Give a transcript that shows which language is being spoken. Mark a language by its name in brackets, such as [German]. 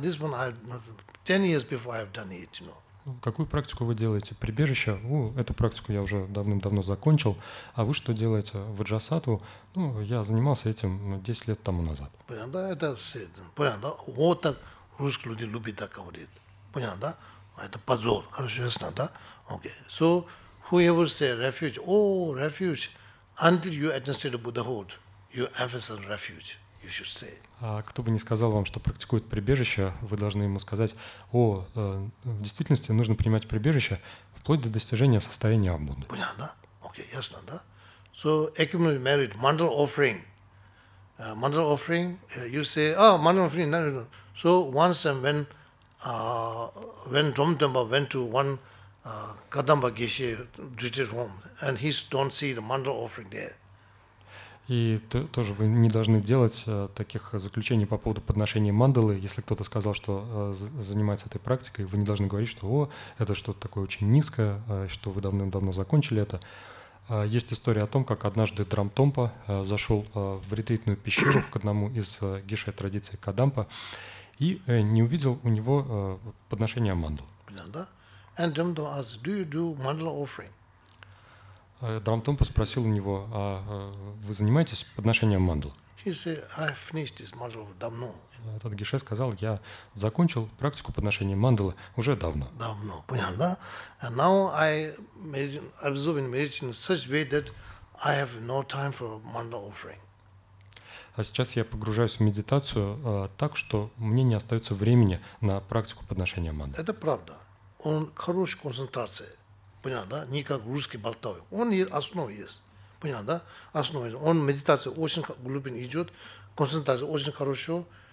[English] This one I 10 years before I have done it. You know. [Russian] Какую практику вы делаете? Прибежище? Эту практику я уже давным-давно закончил. А вы что делаете? Ваджасатву? Я занимался этим 10 лет тому назад. Понятно? Это все. Понятно? Вот так русские люди любят так говорить. Понятно? Это позор. Хорошо, ясно, да? Окей. [English] So, whoever say refuge, refuge. Until you attain the Buddhahood, you emphasize refuge. You should say. [Russian] А кто бы ни сказал вам, что практикует прибежище, вы должны ему сказать: в действительности нужно принимать прибежище вплоть до достижения состояния Будды. Понятно, да? Окей, ясно, да? [English] So accumulated merit, mandala offering, you say, mandala offering. No. So once and when Dromtenpa went to one Kadamba Geshe retreat home, and he don't see the mandala offering there. [Russian] И тоже вы не должны делать таких заключений по поводу подношения мандалы. Если кто-то сказал, что занимается этой практикой, вы не должны говорить, что это что-то такое очень низкое, что вы давным-давно закончили это. Есть история о том, как однажды Драмтомпа зашел в ретритную пещеру к одному из Геше традиции Кадампа и не увидел у него подношения мандалы. [English] Да. And Dhamma asked, "Do you do mandala offering?" [Russian] Драмтомпа спросил у него: "А вы занимаетесь подношением мандал?" [English] He said, "I finished this mandala [Russian] давно." Этот геше сказал: "Я закончил практику подношения мандалы уже давно." Давно, понятно, да? [English] And now I observe and meditate in such way that I have no time for mandala offering. [Russian] А сейчас я погружаюсь в медитацию так, что мне не остается времени на практику подношения мандалы. Это правда. Он хорошая концентрация, понятно, да? Не как русский болтовый. Он основа есть, понятно, да? Основа есть. Он медитация очень глубинно идет, концентрация очень хорошая.